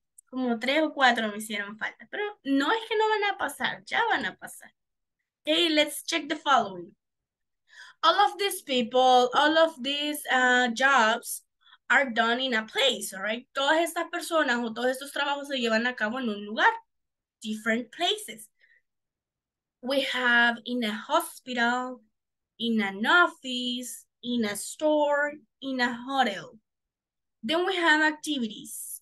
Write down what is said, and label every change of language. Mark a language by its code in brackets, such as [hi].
[es] Como tres o cuatro me hicieron falta, pero no es que no van a pasar, ya van a pasar. [en] Okay, let's check the following. All of these people, all of these jobs are done in a place, all right? [es] Todas estas personas o todos estos trabajos se llevan a cabo en un lugar. [en] Different places. We have in a hospital, in an office, in a store, in a hotel. Then we have activities.